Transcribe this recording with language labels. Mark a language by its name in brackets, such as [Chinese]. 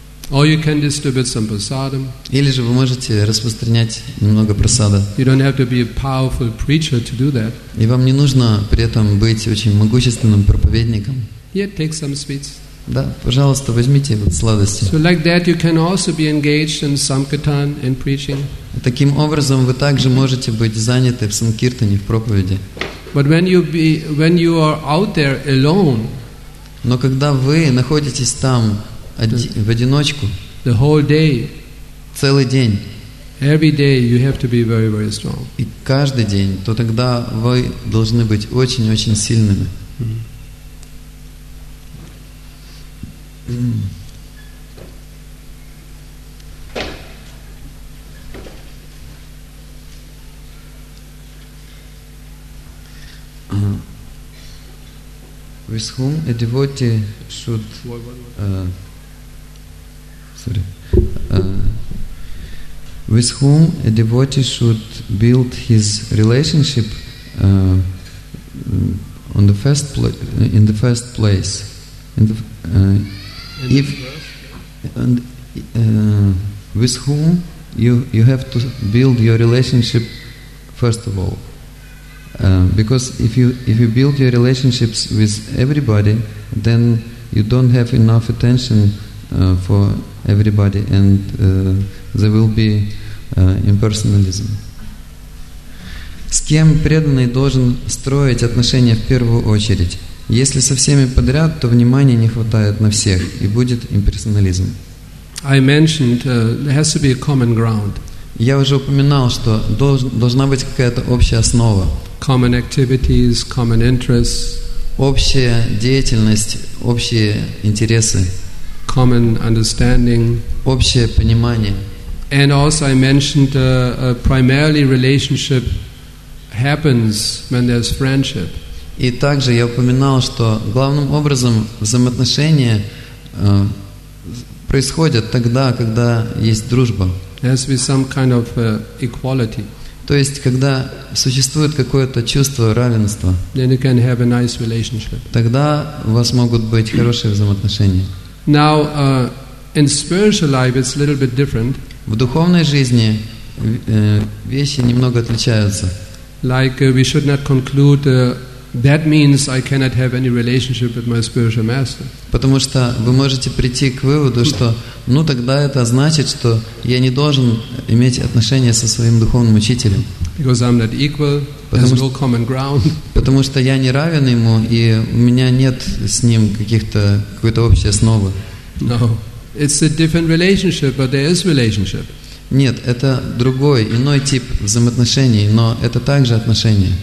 [English] Or you can distribute some prasadam. [Russian] Или же вы можете распространять немного прасада. [English] You don't have to be a powerful preacher to do that. [Russian] И вам не нужно при этом быть очень могущественным проповедником. [English] Yeah, take some sweets. [Russian] Да, пожалуйста, возьмите вот сладости. [English] So like that you can also be engaged in sankirtan and preaching. [Russian] Таким образом вы также можете быть заняты в санкиртане, в проповеди. [English] But when you are out there alone. [Russian] Но когда вы находитесь там в одиночку, [English] the whole day, [Russian] целый день, [English] every day you have to be very, very strong. [Russian] И каждый день, то тогда вы должны быть очень-очень сильными. [English] With whom a devotee should with whom a devotee should build his relationship on the first in the first place, in the, if and, with whom you have to build your relationship first of all, because if you build your relationships with everybody, then you don't have enough attention for everybody, and there will be impersonalism. [Russian] С кем преданный должен строить отношения в первую очередь? Если со всеми подряд, то внимания не хватает на всех, и будет имперсонализм. [English] I mentioned there has to be a common ground. [Russian] Я уже упоминал, что должна быть какая-то общая основа. [English] Common activities, common interests. [Russian] Общая деятельность, общие интересы. [English] Common understanding. [Russian] Общее понимание. [English] And also I mentioned a primarily relationship happens when there's friendship. [Russian] И также я упоминал, что главным образом взаимоотношения происходят тогда, когда есть дружба. [English] There's be some kind of equality. [Russian] То есть, когда существует какое-то чувство равенства, [English] then you can have a nice relationship. [Russian] Тогда у вас могут быть хорошие взаимоотношения. [English] Now, in spiritual life it's a little bit different. [Russian] В духовной жизни вещи немного отличаются. [English] Like we should not conclude that means I cannot have any relationship with my spiritual master. [Russian] Потому что вы можете прийти к выводу, что ну тогда это значит, что я не должен иметь отношения со своим духовным учителем. [English] Because I'm not equal, there's no common ground. [Russian] Потому что я не равен ему, и у меня нет с ним какой-то общей основы. [English] No. It's a different relationship, but there is relationship. [Russian] Нет, это другой, иной тип взаимоотношений, но это также отношения.